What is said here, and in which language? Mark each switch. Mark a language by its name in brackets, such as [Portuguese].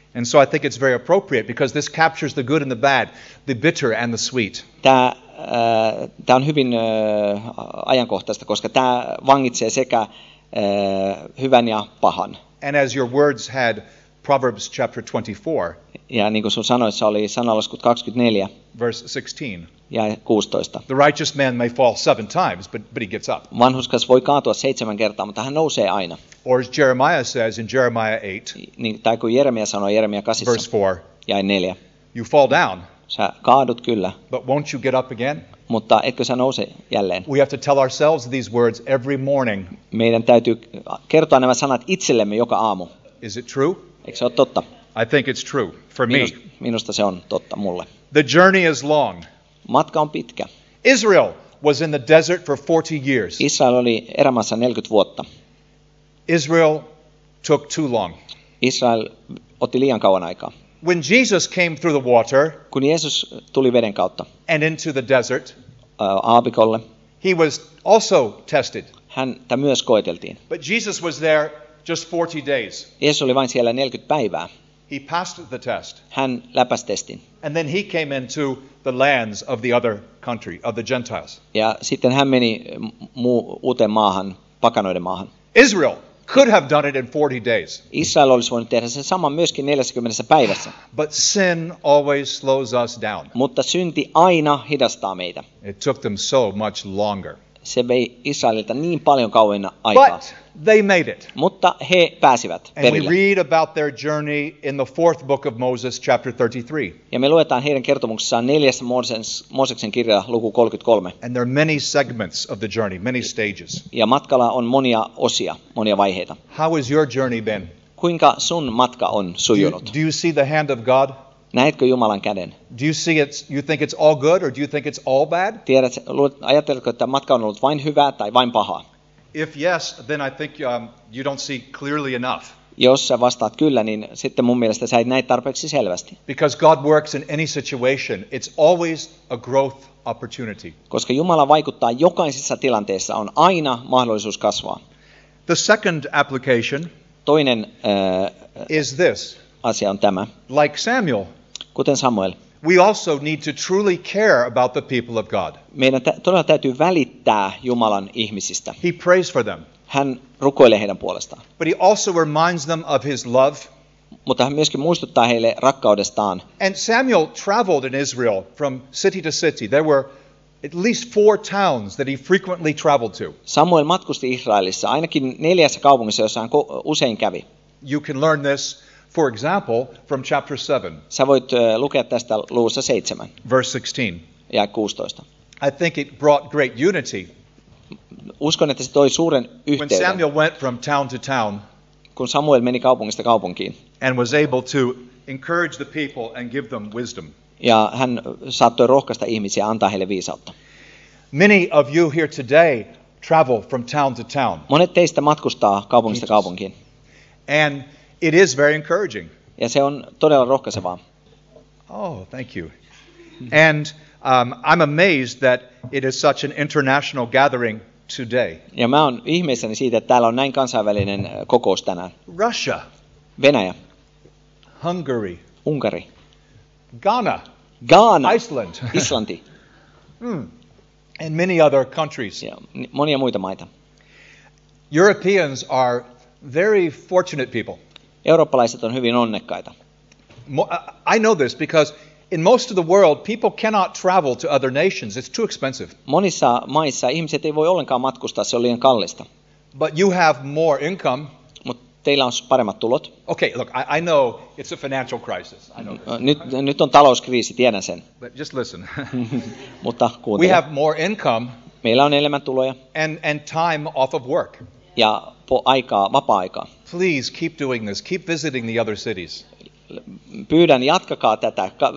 [English] And so I think it's very appropriate because this captures the good and the bad, the bitter and the sweet. [Finnish] Tämä on hyvin ajankohtaista, koska tämä vangitsee sekä hyvän ja pahan. [English] And as your words had Proverbs chapter 24. [Finnish] Ja niin kuin sun sanoissa oli sanalaskut 24. [English] Verse 16. [Finnish] Ja 16. [English] The righteous man may fall 7 times, but he gets up. [Finnish] Vanhuskas voi kaatua 7 kertaa, mutta hän nousee aina. [English] Or as Jeremiah says in Jeremiah 8. [Finnish] Niin, tai kuin Jeremia sanoi Jeremia 8. [English] Verse 4. [Finnish] Ja 4. [English] You fall down. [Finnish] Sä kaadut kyllä. [English] But won't you get up again? [Finnish] Mutta etkö sä nouse jälleen? [English] We have to tell ourselves these words every morning. [Finnish] Meidän täytyy kertoa nämä sanat itsellemme joka aamu. [English] Is it true? [Finnish] Eikö se ole totta? [English] I think it's true for me. [Finnish] Minusta se on totta mulle. [English] The journey is long. [Finnish] Matka on pitkä. [English] Israel was in the desert for 40 years. [Finnish] Israel oli erämaassa 40 vuotta. [English] Israel took too long. [Finnish] Israel otti liian kauan aikaa. [English] When Jesus came through the water, [Finnish] kun Jeesus tuli veden kautta, [English] and into the desert, [Finnish] aavikolle, [English] he was also tested. [Finnish] Häntä myös koeteltiin. [English] But Jesus was there just 40 days. [Finnish] Jeesus oli vain siellä 40 päivää. [English] He passed the test. [Finnish] Hän läpäsi testin. [English] And then he came into the lands of the other country, of the Gentiles. [Finnish] Ja sitten hän meni uuteen maahan, pakanoiden maahan. [English] Israel could have done it in 40 days. [Finnish] Israel olisi voinut tehdä sen saman myöskin 40 päivässä. [English] But sin always slows us down. [Finnish] Mutta synti aina hidastaa meitä. [English] It took them so much longer. [Finnish] Se vei Israelilta niin paljon kauemmin aikaa. [English] But they made it. [Finnish] Mutta he pääsivät perille. [English] And we read about their journey in the fourth book of Moses, chapter 33. [Finnish] Ja me luetaan heidän kertomuksessaan neljäs Mooseksen kirja, luku 33. [English] And there are many segments of the journey, many stages. [Finnish] Ja matkalla on monia osia, monia vaiheita. [English] How has your journey been? [Finnish] Kuinka sun matka on sujunut? [English] Do you see the hand of God? [Finnish] Näetkö Jumalan käden? [English] Do you see it? You think it's all good, or do you think it's all bad? [Finnish] Ajatteletko, että matka on ollut vain hyvää tai vain pahaa? [English] If yes, then I think you don't see clearly enough. [Finnish] Jos sä vastaat kyllä, niin sitten mun mielestä sä et näe tarpeeksi selvästi. [English] Because God works in any situation, it's always a growth opportunity. [Finnish] Koska Jumala vaikuttaa jokaisessa tilanteessa, on aina mahdollisuus kasvaa. [English] The second application. [Finnish] Toinen [English] is this. [Finnish] Asia on tämä. [English] Like Samuel. [Finnish] Kuten Samuel. [English] We also need to truly care about the people of God. [Finnish] Meidän todella täytyy välittää Jumalan ihmisistä. [English] He prays for them. [Finnish] Hän rukoilee heidän puolestaan. [English] But he also reminds them of his love. [Finnish] Mutta hän myöskin muistuttaa heille rakkaudestaan. [English] And Samuel traveled in Israel from city to city. There were at least 4 towns that he frequently traveled to. [Finnish] Samuel matkusti Israelissa ainakin 4 kaupungissa, jossa hän usein kävi. [English] You can learn this. For example, from chapter 7. [Finnish] Sä voit lukea tästä luvussa 7. [English] Verse 16. [Finnish] Ja 16. [English] I think it brought great unity. [Finnish] Uskon, että se toi suuren yhteyden. [English] When Samuel went from town to town. [Finnish] Kun Samuel meni kaupungista kaupunkiin. [English] And was able to encourage the people and give them wisdom. [Finnish] Ja hän saattoi rohkaista ihmisiä antaa heille viisautta. [English] Many of you here today travel from town to town. [Finnish] Monet teistä matkustaa kaupungista kaupunkiin. [English] And it is very encouraging. [Finnish] Ja se on todella rohkaisevaa. [English] Oh, thank you. And I'm amazed that it is such an international gathering today. [Finnish] Ja mä oon ihmeissäni siitä, että täällä on näin kansainvälinen kokous tänään. [English] Russia. [Finnish] Venäjä. [English] Hungary. [Finnish] Unkari. [English] Ghana. [Finnish] Ghana. [English] Iceland. [Finnish] Islanti. [English] And many other countries. [Finnish] Ja monia muita maita. [English] Europeans are very fortunate people. [Finnish] Eurooppalaiset on hyvin onnekkaita. [English] I know this because in most of the world people cannot travel to other nations. It's too expensive. [Finnish] Monissa maissa ihmiset ei voi ollenkaan matkustaa, se on liian kallista. [English] But you have more income. [Finnish] Mut teillä on paremmat tulot. [English] Okay, look, I know it's a financial crisis. I know this. [Finnish] Nyt on talouskriisi, tiedän sen. [English] But just listen. [Finnish] Mutta kuuntele. [English] We have more income. [Finnish] Meillä on enemmän tuloja. [English] And time off of work. [Finnish] Ja aikaa, vapaa-aikaa. [English] Please keep doing this. Keep visiting the other cities. [Finnish] Pyydän, jatkakaa tätä.